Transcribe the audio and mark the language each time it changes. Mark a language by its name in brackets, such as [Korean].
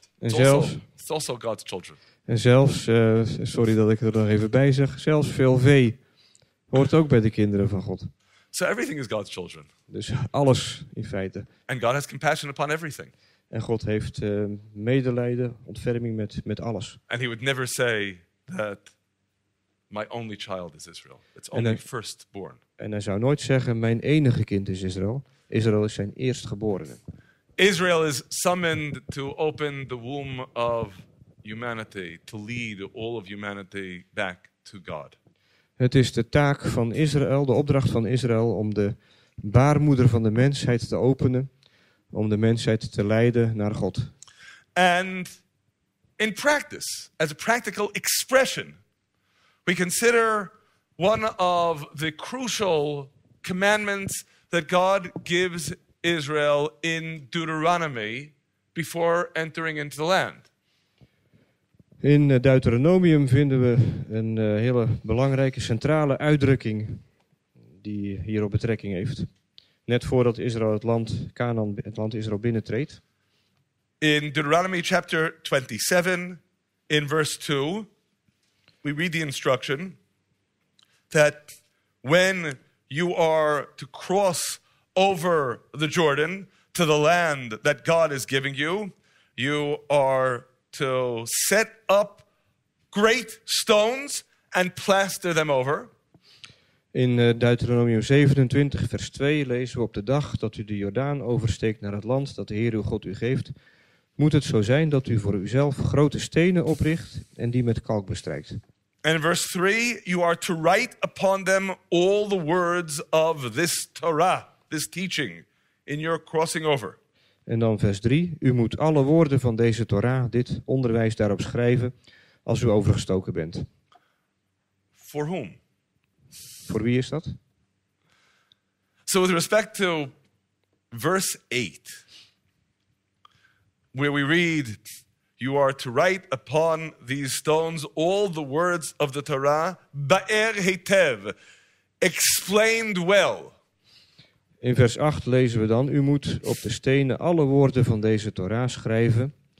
[Dutch] En zelfs, [English] it's also God's children. [Dutch] En zelfs, sorry dat ik er nog even bij zeg, zelfs veel vee hoort ook bij de kinderen van God. [English] So everything is God's children. [Dutch] Dus alles in feite. [English] And God has compassion upon everything. [Dutch] En God heeft medelijden, ontferming met alles. [English] And he would never say that my only child is Israel. It's only firstborn. [Dutch] En hij zou nooit zeggen mijn enige kind is Israël. Israël is zijn eerstgeborene. [English] Israel is summoned to open the womb of humanity, to lead all of humanity back to God. [Dutch] Het is de taak van Israël, de opdracht van Israël, om de baarmoeder van de mensheid te openen, om de mensheid te leiden naar God. [English] And in practice, as a practical expression, we consider one of the crucial commandments that God gives Israel in Deuteronomy before entering into the land. [Dutch] In Deuteronomium vinden we een hele belangrijke centrale uitdrukking die hierop betrekking heeft. Net voordat Israël het land Canaan, het land Israël binnentreedt. [English] In Deuteronomy chapter 27 in verse 2 we read the instruction that when you are to cross over the Jordan to the land that God is giving you, you are to set up great stones and plaster them over. [Dutch] In Deuteronomium 27, vers 2 lezen we: op de dag dat u de Jordaan oversteekt naar het land dat de Heer uw God u geeft, moet het zo zijn dat u voor uzelf grote stenen opricht en die met kalk bestrijkt. [English] And in verse 3, you are to write upon them all the words of this Torah, this teaching, in your crossing over. [Dutch] En dan vers 3, u moet alle woorden van deze Torah, dit onderwijs, daarop schrijven als u overgestoken bent. [English] For whom? [Dutch] Voor wie is dat? [English] So with respect to verse 8, where we read, you are to write upon these stones all the words of the Torah, [Hebrew] ba'er hetev, [English] explained well. [Dutch] In vers 8 lezen we dan, u moet op de stenen alle woorden van deze Torah schrijven.